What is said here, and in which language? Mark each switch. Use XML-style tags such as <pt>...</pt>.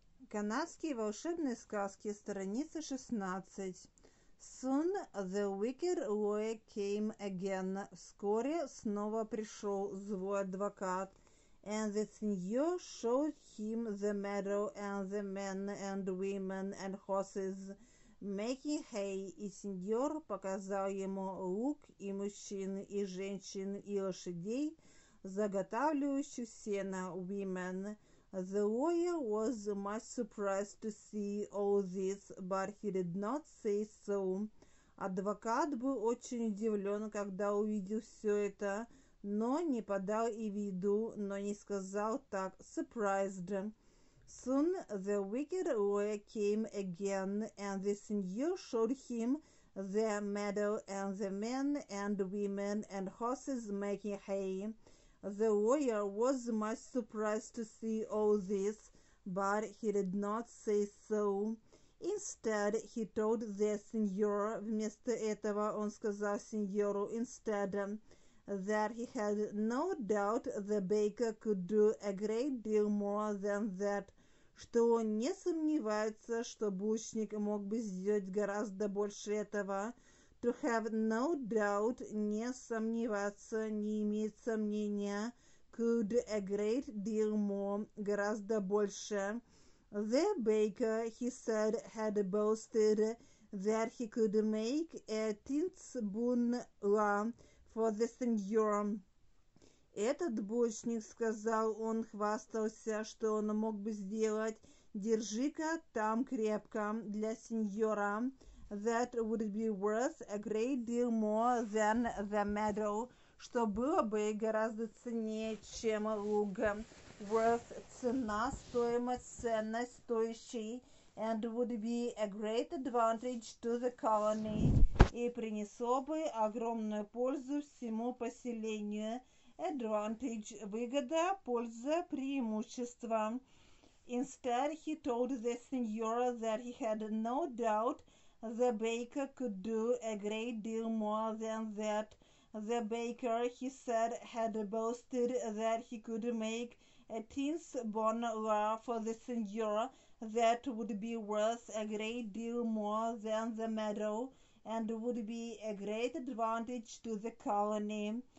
<ru>Канадские волшебные сказки, страница 16.</ru> <en>Soon the wicked lawyer came again.</en> <ru>Вскоре снова пришел злой адвокат.</ru> <en>And the senior showed him the meadow and the men and women and horses making hay.</en> <ru>И сеньор показал ему луг и мужчин, и женщин, и лошадей, заготавливающих сено, women.</ru> <en>The lawyer was much surprised to see all this, but he did not say so.</en> <ru>Адвокат был очень удивлен, когда увидел все это, но не подал и виду, но не сказал так, surprised.</ru> <en>Soon the wicked lawyer came again, and the senior showed him the meadow and the men and women and horses making hay. The lawyer was much surprised to see all this, but he did not say so. Instead, he told the senior,</en> <ru>вместо этого он сказал сеньору,</ru> <en>instead, that he had no doubt the baker could do a great deal more than that,</en> <ru>что он не сомневается, что булочник мог бы сделать гораздо больше этого.</ru> <en>To have no doubt,</en> <ru>не сомневаться, не иметь сомнения,</ru> <en>could a great deal more,</en> <ru>гораздо больше.</ru> <en>The baker, he said, had boasted that he could make a tintsbunla for the senior.</en> <ru>Этот булочник сказал, он хвастался, что он мог бы сделать. Держи-ка там крепко для сеньора.</ru> <en>That would be worth a great deal more than the meadow,</en> <ru>что было бы гораздо ценнее, чем луг. Worth – цена, стоимость, ценность, стоящий.</ru> <en>And would be a great advantage to the colony.</en> <ru>И принесло бы огромную пользу всему поселению. Advantage – выгода, польза, преимущество.</ru> <en>Instead, he told the senior that he had no doubt the baker could do a great deal more than that. The baker, he said, had boasted that he could make a tintsbunla for the senior that would be worth a great deal more than the meadow and would be a great advantage to the colony.</en>